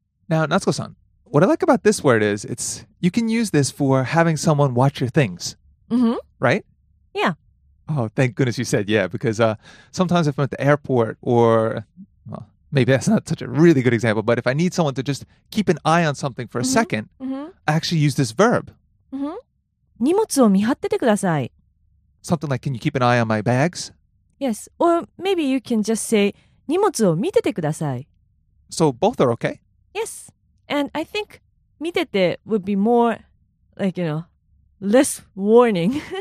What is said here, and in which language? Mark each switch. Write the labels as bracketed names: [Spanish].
[English] Now, Natsuko-san, what I like about this word is it's you can use this for having someone watch your things. Right? Yeah. Oh, thank goodness you said yeah, because sometimes if I'm at the airport or, well, maybe that's not such a really good example, but if I need someone to just keep an eye on something for a second,Actually use this verb. [Japanese] 荷物を見張っててください。 [English] Something like, can you keep an eye on my bags? Yes, or maybe you can just say, [Japanese] 荷物を見ててください。 [English] So both are okay? Yes, and I think 見てて would be more, like, you know, less warning.